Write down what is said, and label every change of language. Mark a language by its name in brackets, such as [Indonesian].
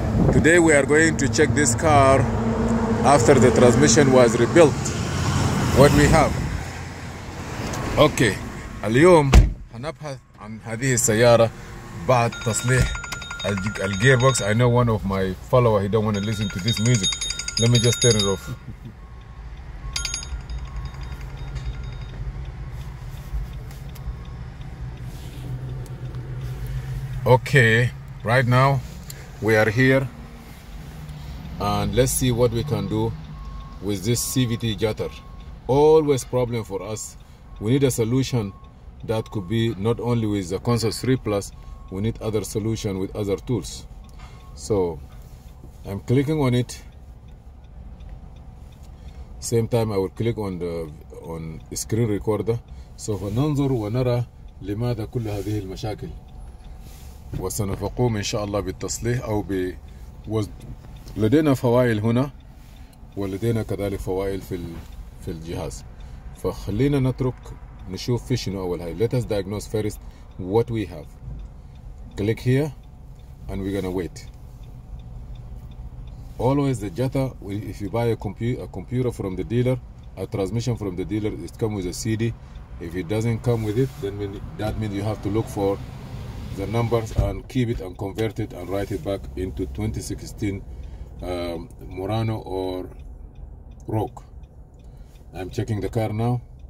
[English] Today we are going to check this car after the transmission was rebuilt. What we have? Okay. [Arabic] اليوم هنبحث عن هذه السيارة بعد تصليح الجيربوكس. [English] I know one of my followers, he don't want to listen to this music. Let me just turn it off. Okay, right now we are here and let's see what we can do with this CVT jutter. Always problem for us. We need a solution that could be not only with the console 3 plus, we need other solution with other tools. So I'm clicking on it. Same time I will click on the screen recorder. [Arabic] So فننظر ونرى لماذا كل هذه المشاكل. وسنقوم إن شاء الله بالتصليح أو ب... لدينا فوائل هنا ولدينا كذلك فوائل في الجهاز. فخلينا نترك نشوف في شنو أول هاي. [English] Let us diagnose first what we have. Click here and we're gonna wait. Always the jutta, if you buy a computer from the dealer, a transmission from the dealer, it comes with a CD. If it doesn't come with it, then that means you have to look for the numbers and keep it and convert it and write it back into 2016 Murano or Rogue. I'm checking the car now.